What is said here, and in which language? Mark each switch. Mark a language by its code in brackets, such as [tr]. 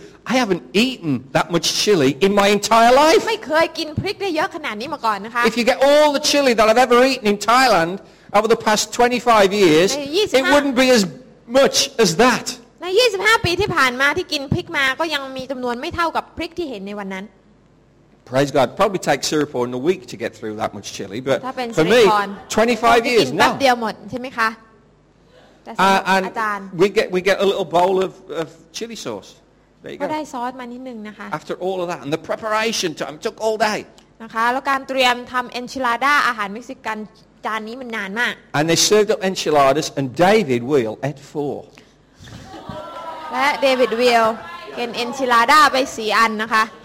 [en] I haven't eaten that much chili in my entire life. [th] ไม่เคยกินพริกได้เยอะขนาดนี้มาก่อนนะคะ [en] If you get all the chili that I've ever eaten in Thailand over the past 25 years, it wouldn't be as much as that. [th] ใน25ปีที่ผ่านมาที่กินพริกมาก็ยังมีจำนวนไม่เท่ากับพริกที่เห็นในวันนั้น [en] Praise God. Probably take syrupor in a week to get through that much chili, but for me, 25 years now. [th] กินแป๊บเดียวหมดใช่ไหมคะ [en] And we get a little bowl of chili sauce. There you go. [th] ก็ได้ซอสมานิดนึงนะคะ [en] After all of that and the preparation time took all day. [th] นะคะแล้วการเตรียมทำ enchilada อาหารเม็กซิกันจานนี้มันนานมาก [en] And they served up enchiladas and David Wheel ate 4. [th] และ David Wheel กิน enchilada ไป 4 อันนะคะ